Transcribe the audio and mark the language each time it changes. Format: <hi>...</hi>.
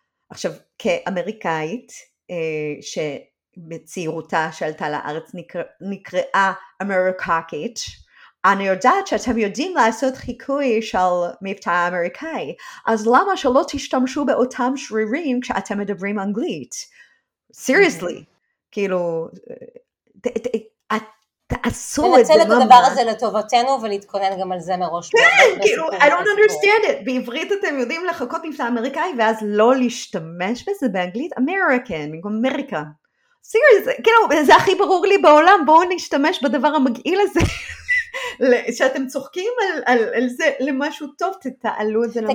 <he>עכשיו, כאמריקאית, שבצעירותה שעלתה לארץ נקראה אמריקאית, אני יודעת שאתם יודעים לעשות חיקוי של מבטא אמריקאי, אז למה שלא תשתמשו באותם שרירים כשאתם מדברים אנגלית? Seriously, כאילו, תעשו את זה ממש. לנצל את הדבר הזה לטובתנו ולהתכונן גם על זה מראש.</he> <en>כן, כאילו, I don't understand it.</en> <he>בעברית אתם יודעים לחכות מבטא אמריקאי ואז לא להשתמש בזה באנגלית? American, במקום אמריקה. Seriously, כאילו, זה הכי ברור לי בעולם, בואו נשתמש בדבר המגעיל הזה. שאתם צוחקים על, על, על זה למשהו טוב, תתעלו את זה למשהו.</he>